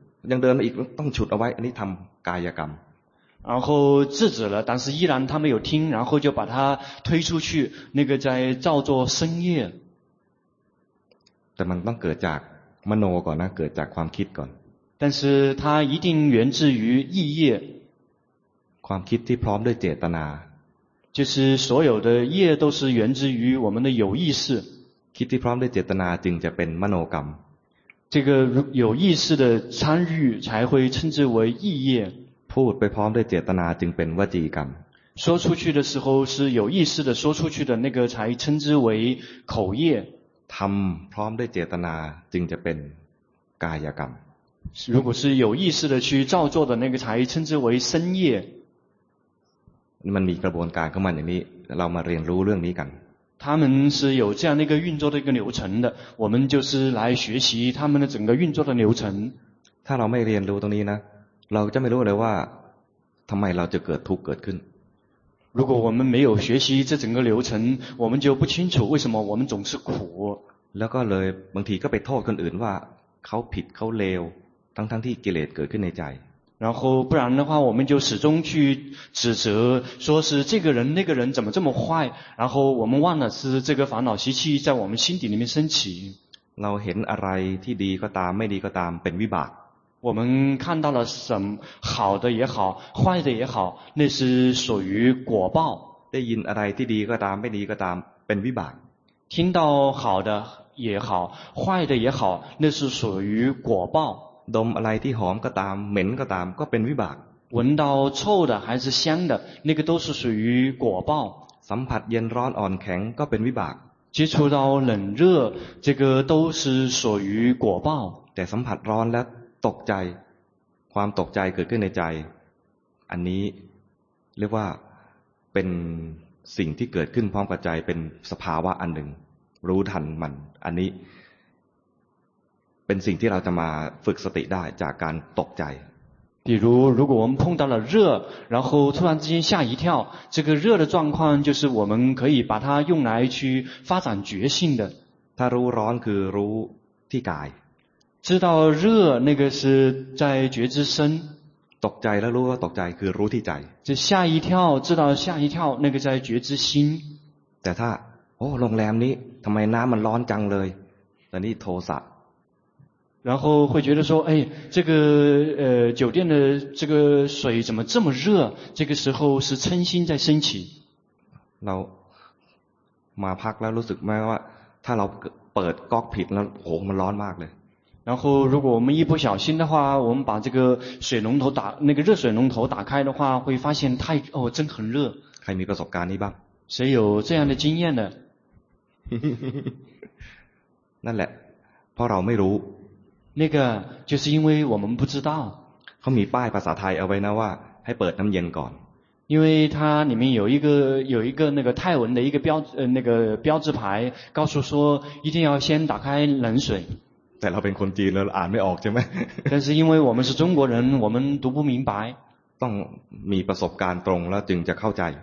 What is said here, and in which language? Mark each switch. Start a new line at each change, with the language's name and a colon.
Thai: ยังเดินมาอีกต้องฉุดเอาไว้อันนี้ทำกายกรรม
Chinese: 然后制止了但是依然他没有听然后就把他推出去那个在造作深业
Thai: แต่มันต้องเกิดจากมโนก่อนนะเกิดจากความคิดก่อน
Chinese: 但是他一定源自于意业
Thai: ความคิดที่พร้อมด้วยเจตนา
Chinese: 就是所有的业都是源自于我们的有意识
Thai: คิดที่พร้อมด้วยเจตนาจึงจะเป็นมโนกรรม
Chinese: 这个有意识的参与才会称之为意业
Thai: พูดไปพร้อมด้วยเจตนาจึงเป็นวจีกรรม
Chinese: 说出去的时候是有意识的说出去的那个才称之为口业
Thai: ทำพร้อมด้วยเจตนาจึงจะเป็นกายกรรม
Chinese: 如果是有意识的去造作的那个才称之为身业
Thai: มันมีกระบวนการเข้ามาอย่างนี้เรามาเรียนรู้เรื่องนี้กัน
Chinese: 他们是有这样的一个运作的一个流程的我们就是来学习他们的整个运作的流程
Thai: ถ้าเราไม่เรียนรู้ตรงนี้นะเราจะไม่รู้เลยว่าทำไมเราจะเกิดทุกข์เกิดขึ้น
Chinese: 如果我们没有学习这整个流程我们就不清楚为什么我们总是苦
Thai: แล้วก็เลยบางทีก็ไปโทษคนอื่นว่าเขาผิดเขาเลวทั้งที่กิเลสเกิดขึ้นในใจ
Chinese: 然后不然的话我们就始终去指责说是这个人那个人怎么这么坏然后我们忘了是这个烦恼习气在我们心底里面升起
Thai: เราเห็นอะไรที่ดีก็ตามไม่ดีก็ตามเป็นวิบาก
Chinese: 我们看到了什么好的也好坏的也好那是属于果报
Thai: ได้ยินอะไรที่ดีก็ตามไม่ดีก็ตามเป็นวิบาก
Chinese: 听到好的也好坏的也好那是属于果报
Thai: ดมอะไรที่หอมก็ตามเหม็นก็ตามก็เป็นวิบาก
Chinese: 闻到臭的还是香的那个都是属于果报
Thai: สัมผัสเย็นร้อนอ่อนแข็งก็เป็นวิบาก
Chinese: 接触到冷热这个都是属于果报
Thai: แต่สัมผัสร้อนแล้วตกใจความตกใจเกิดขึ้นในใจอันนี้เรียกว่าเป็นสิ่งที่เกิดขึ้นพร้อมกับใจเป็นสภาวะอันหนึ่งรู้ทันมันอันนี้เป็นสิ่งที่เราจะมาฝึกสติได้จากการตกใจ
Chinese: 比如如果我们碰到了热然后突然之间吓一跳这个热的状况就是我们可以把它用来去发展觉性的
Thai: ถ้ารู้ร้อนคือรู้ที่กาย
Chinese: 知道热那个是在觉知身
Thai: ตกใจแล้วรู้ว่าตกใจคือรู้ที่ใจ
Chinese: 就吓一跳知道吓一跳那个在觉知心
Thai: แต่ถ้าโอ้โรงแรมนี้ทำไมน้ำมันร้อนจังเลยตอนนี้โทสะ
Chinese: 然后会觉得说哎这个酒店的这个水怎么这么热这个时候是嗔心在升起
Thai: เรามาพักแล้วรู้สึกไหมว่าถ้าเราเปิดก๊อกผิดแล้วโหมันร้อนมากเลย
Chinese: 然后如果我们一不小心的话我们把这个水龙头打那个热水龙头打开的话会发现太哦真很热还没有干净吧谁有这样的经验呢那嘞
Thai: พอเราไม่รู้
Chinese: 那个就是因为我们不知道
Thai: เขามีป้ายภาษาไทยเอาไว้นะว่าให้เปิดน้ำเย็นก่อน
Chinese: 因为它里面有一个那个泰文的一个标那个标志牌告诉说一定要先打开冷水
Thai: แต่เราเป็นคนจีนแล้วอ่านไม่ออกใช่ไหม
Chinese: 但是因为我们是中国人我们读不明白
Thai: ต้องมีประสบการณ์ตรงแล้วจึงจะเข้าใจ